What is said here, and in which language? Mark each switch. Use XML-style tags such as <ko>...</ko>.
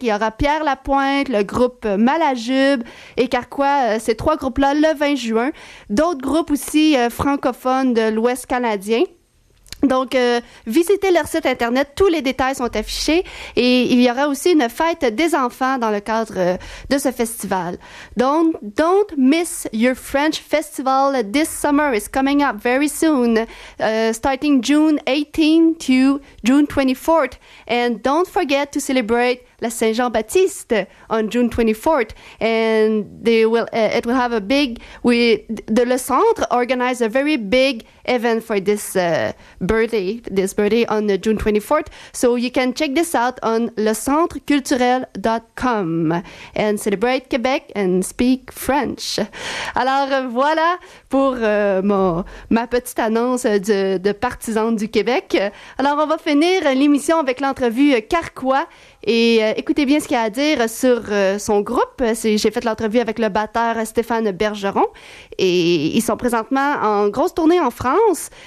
<fr>Il y aura Pierre Lapointe, le groupe Malajube et Carquois, ces trois groupes-là, le 20 juin. D'autres groupes aussi francophones de l'Ouest canadien. Donc, visitez leur site internet, tous les détails sont affichés et il y aura aussi une fête des enfants dans le cadre de ce festival.</fr> <en>Donc, don't miss your French festival this summer. It's coming up very soon, starting June 18th to June 24th. And don't forget to celebrate La Saint-Jean-Baptiste on June 24th, and it will have a big. Le Centre organized a very big event for this birthday on June 24th. So you can check this out on lecentreculturel.com and celebrate Québec and speak French.</en> <fr>Alors voilà pour ma petite annonce de partisans du Québec. Alors on va finir l'émission avec l'entrevue Carquois. Et écoutez bien ce qu'il y a à dire sur son groupe. J'ai fait l'entrevue avec le batteur Stéphane Bergeron et ils sont présentement en grosse tournée en France.</fr>